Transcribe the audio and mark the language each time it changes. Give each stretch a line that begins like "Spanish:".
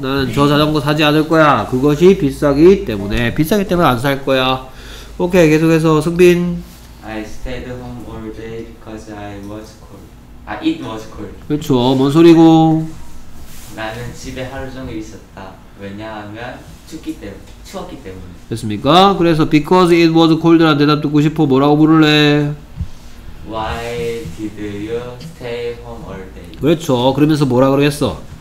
Korean: 나는 저 자전거 사지 않을 거야. 그것이 비싸기 때문에. 비싸기 때문에 안 살 거야. 오케이. 계속해서 승빈.
English: I stayed home all day because it was cold.
Korean: 그렇죠. 뭔 소리고? 나는 집에 하루 종일 있었다. 왜냐하면 추웠기 때문에. 됐습니까? 그래서
English: because it was cold
Korean: 란 대답 듣고 싶어. 뭐라고 부를래?
English: Why did you stay home all day?
Korean: 그렇죠. 그러면서 뭐라 그러겠어?